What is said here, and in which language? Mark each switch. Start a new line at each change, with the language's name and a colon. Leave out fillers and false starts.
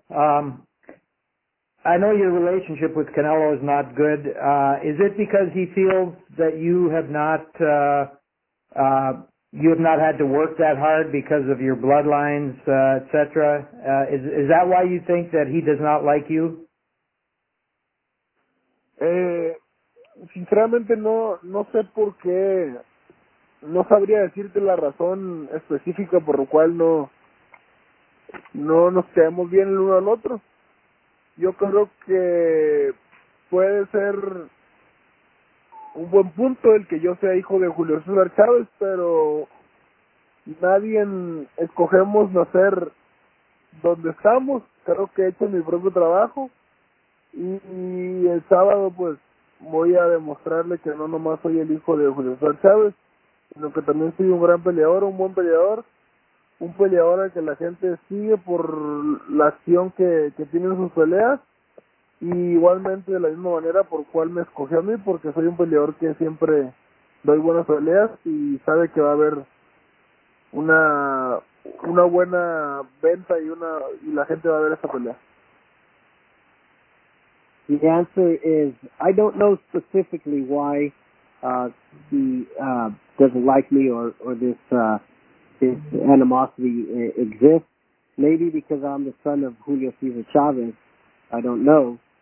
English: I know your relationship with Canelo is not good. Is it because he feels that you have not had to work that hard because of your bloodlines, et cetera? Is that why you think that he does not like you?
Spanish: Sinceramente no sé por qué, no sabría decirte la razón específica por la cual no nos quedamos bien el uno al otro. Yo creo que puede ser un buen punto el que yo sea hijo de Julio César Chávez, pero nadie escogemos nacer donde estamos. Creo que he hecho mi propio trabajo y el sábado pues voy a demostrarle que no nomás soy el hijo de Julio César Chávez, sino que también soy un gran peleador, un buen peleador, un peleador al que la gente sigue por la acción que tiene en sus peleas. Y igualmente de la misma manera por cual me escogió a mí, porque soy un peleador que siempre doy buenas peleas y sabe que va a haber una buena venta y la gente va a ver esa pelea.
English: The answer is, I don't know specifically why doesn't like me or this animosity exists. Maybe because I'm the son of Julio César Chávez, I don't know.